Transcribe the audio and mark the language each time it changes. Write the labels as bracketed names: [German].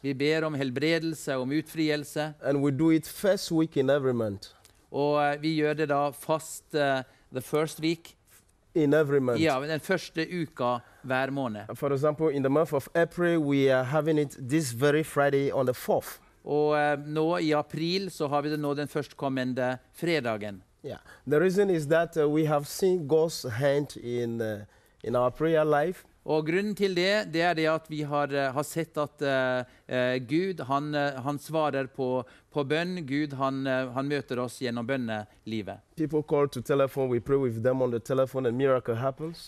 [Norwegian] Vi ber om helbredelse, om utfrielse. [English] And we do it first week in every month. [Norwegian] Og vi gjør det da fast [English] the first week in every month. [Norwegian] Ja, den første uka hver måned. [English] For example, in the month of April we are having it this very Friday on the 4th. [Norwegian] Og nå i april så har vi det nå den førstkommende fredagen. [English] Yeah. The reason is that we have seen God's hand in our prayer life. [Norwegian] Og grunnen til det, det er det at vi har sett at Gud, han svarer på bønn. Gud, han møter oss gjennom bønnelivet. [English] People call to telephone, we pray with them on the telephone and miracle happens.